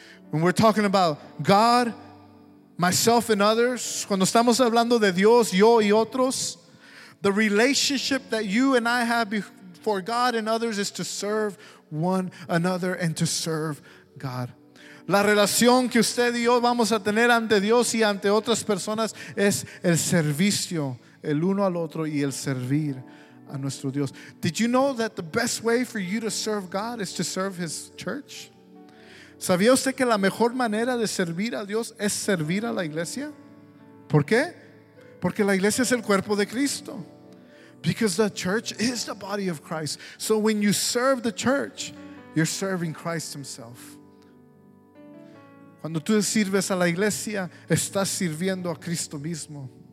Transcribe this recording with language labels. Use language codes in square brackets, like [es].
[en] When we're talking about God, myself and others, [es] cuando estamos hablando de Dios, yo y otros, [en] the relationship that you and I have before God and others is to serve one another and to serve God. [es] La relación que usted y yo vamos a tener ante Dios y ante otras personas es el servicio, el uno al otro y el servir a nuestro Dios. [en] Did you know that the best way for you to serve God is to serve His church? [es] ¿Sabía usted que la mejor manera de servir a Dios es servir a la iglesia? ¿Por qué? Porque la iglesia es el cuerpo de Cristo. [en] Because the church is the body of Christ. So when you serve the church, you're serving Christ Himself. [es] Cuando tú sirves a la iglesia, estás sirviendo a Cristo mismo.